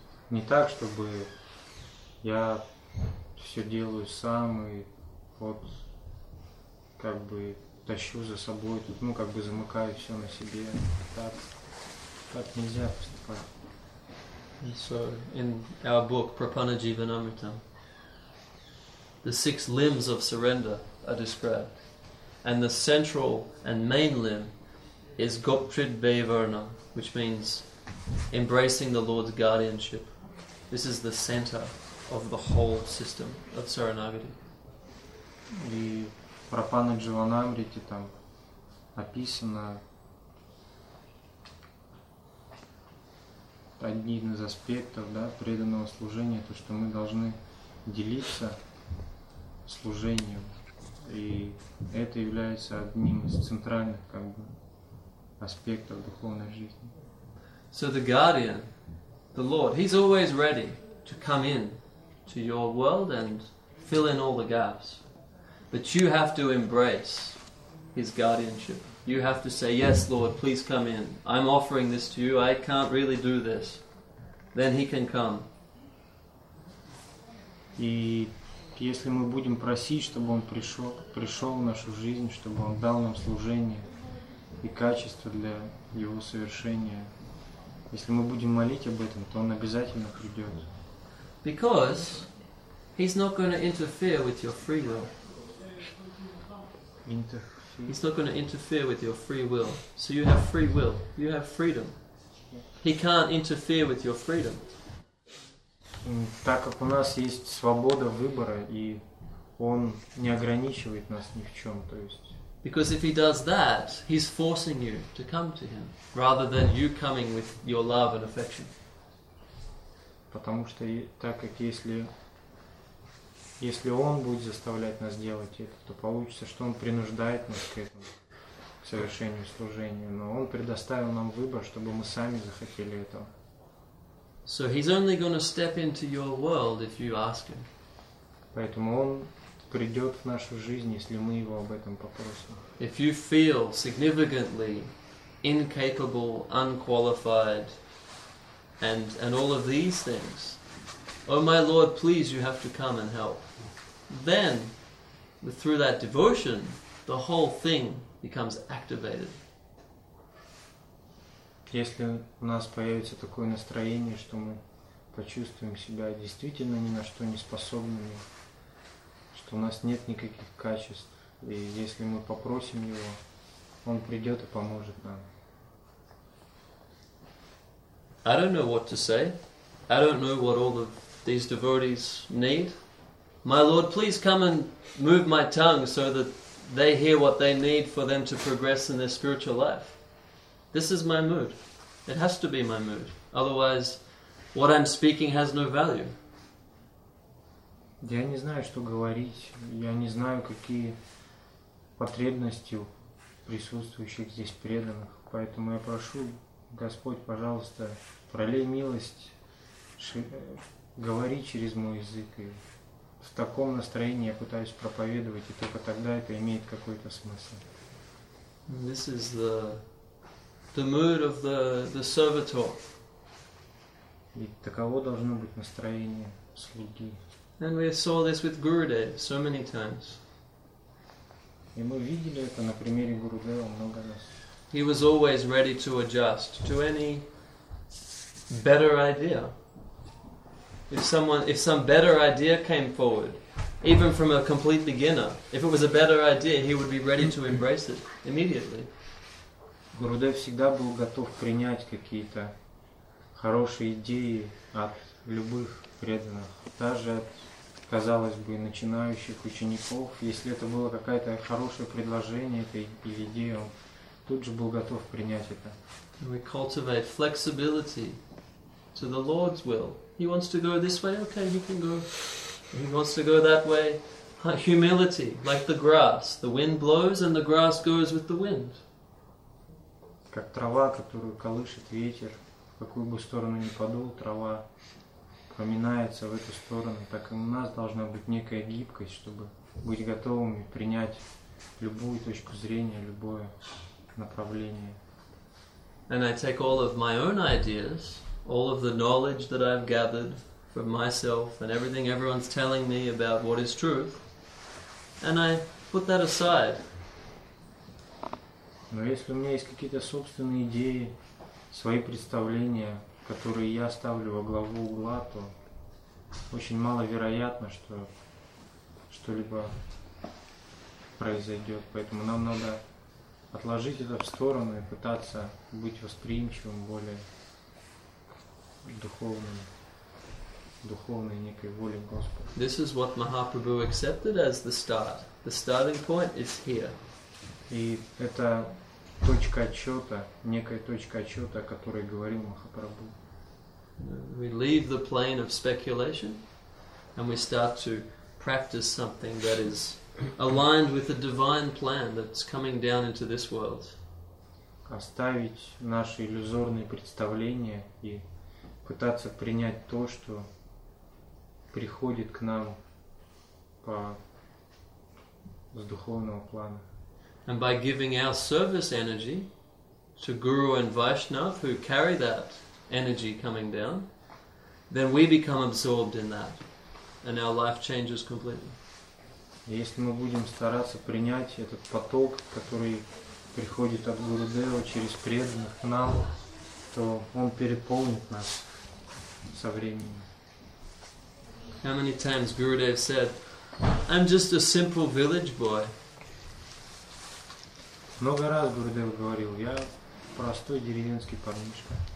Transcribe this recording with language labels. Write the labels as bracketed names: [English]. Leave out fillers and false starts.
[Russian] Не так, чтобы я все делаю сам и вот как бы тащу за собой тут, ну как бы замыкаю все на себе. Так нельзя поступать. [English] And so in our book Prapana Jivanamrita, the six limbs of surrender are described. And the central and main limb is Goptrid Bhavarna, which means embracing the Lord's guardianship. This is the center of the whole system of Saranagati. [Russian] И Прапана Дживанамрити там описано. Один из аспектов, да, преданного служения, то, что мы должны делиться служением. И это является одним из центральных, как бы, аспектов духовной жизни. [English] So the guardian, the Lord, he's always ready to come in to your world and fill in all the gaps. But you have to embrace his guardianship. You have to say, yes, Lord, please come in. I'm offering this to you. I can't really do this. Then he can come. [Russian] И если мы будем просить, чтобы он пришел в нашу жизнь, чтобы он дал нам служение и качество для его совершения, если мы будем молить об этом, то он обязательно придет. [English] Because he's not going to interfere with your free will. He's not going to interfere with your free will. So you have free will. You have freedom. He can't interfere with your freedom. [Russian] Так как у нас есть свобода выбора, и он не ограничивает нас ни в чем, то есть. [English] Because if he does that, he's forcing you to come to him, rather than you coming with your love and affection. [Russian] Потому что так как если он будет заставлять нас делать это, то получится, что он принуждает нас к этому, к совершению служения. Но он предоставил нам выбор, чтобы мы сами захотели этого. [English] So he's only going to step into your world if you ask him. [Russian] Поэтому он придет в нашу жизнь, если мы его об этом попросим. [English] If you feel significantly incapable, unqualified, and all of these things, oh my Lord, please, you have to come and help. Then, through that devotion, the whole thing becomes activated. [Russian] Если у нас появится такое настроение, что мы почувствуем себя действительно ни на что не способными, что у нас нет никаких качеств, и если мы попросим его, он придет и поможет нам. [English] I don't know what to say. I don't know what all of these devotees need. My Lord, please come and move my tongue so that they hear what they need for them to progress in their spiritual life. This is my mood. It has to be my mood. Otherwise, what I'm speaking has no value. [Russian] Я не знаю, что говорить. Я не знаю, какие потребности у присутствующих здесь преданных. Поэтому я прошу, Господь, пожалуйста, пролей милость, говори через мой язык. В таком настроении я пытаюсь проповедовать, и только тогда это имеет какой-то смысл. [English] This is the mood of the servitor. [Russian] И таково должно быть настроение слуги. [English] And we saw this with Gurudev so many times. [Russian] И мы видели это на примере Гурудева много раз. [English] He was always ready to adjust to any better idea. If some better idea came forward, even from a complete beginner, if it was a better idea, he would be ready to embrace it immediately. [Russian] Гурудев всегда был готов принять какие-то хорошие идеи от любых преданных, даже от, казалось бы, начинающих учеников. Если это было какое-то хорошее предложение этой идеи, он тут же был готов принять это. [English] We cultivate flexibility to the Lord's will. He wants to go this way, okay, he can go. He wants to go that way. Humility, like the grass. The wind blows and the grass goes with the wind. [Russian] Как трава, которую колышет ветер, в какую бы сторону ни подул, трава поминается в эту сторону, так и у нас должна быть некая гибкость, чтобы быть готовыми принять любую точку зрения, любое направление. [English] And I take all of my own ideas, all of the knowledge that I've gathered from myself and everything everyone's telling me about what is truth, and I put that aside. [Russian] Но если у меня есть какие-то собственные идеи, свои представления, которые я ставлю во главу угла, то очень маловероятно, что что-либо произойдет. Поэтому нам надо отложить это в сторону и пытаться быть восприимчивым, более духовным, духовной некой воле Господа. [English] This is what Mahaprabhu accepted as the start. The starting point is here. [Russian] И это точка отчета, некая точка отчета, о которой говорил Махапрабху. [English] We leave the plane of speculation and we start to practice something that is aligned with the divine plan that's coming down into this world. [Russian] Оставить наши иллюзорные представления и пытаться принять то, что приходит к нам по с духовного плана. [English] And by giving our service energy to Guru and Vaishnav who carry that energy coming down, then we become absorbed in that and our life changes completely. [Russian] Если мы будем стараться принять этот поток, который приходит от Гурудева через преданных к нам, то он переполнит нас со временем. [English] How many times Gurudev said, I'm just a simple village boy. [Russian] Много раз Гурудев говорил, я простой деревенский парнишка.